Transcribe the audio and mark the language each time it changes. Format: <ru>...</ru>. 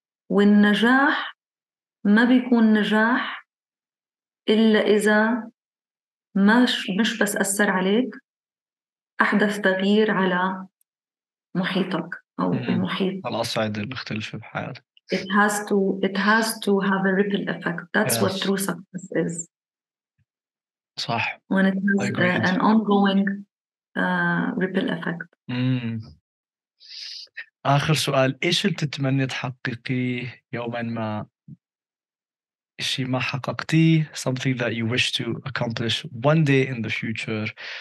<ar>والنجاح ما بيكون نجاح إلا إذا مش بس أثر عليك، أحدث تغيير على محيطك أو المحيط، على الأصعدة المختلفة بحياتك.</ar> <en>It has to have a ripple effect. That's yes. What true success is.</en> <ar>صح.</ar> <en>When it has an ongoing ripple effect.</en> <ar>آخر سؤال، إيش اللي تتمني تحققيه يوماً ما؟ شيء ما حققتيه،</ar> <en>something that you wish to accomplish one day in the future.</en>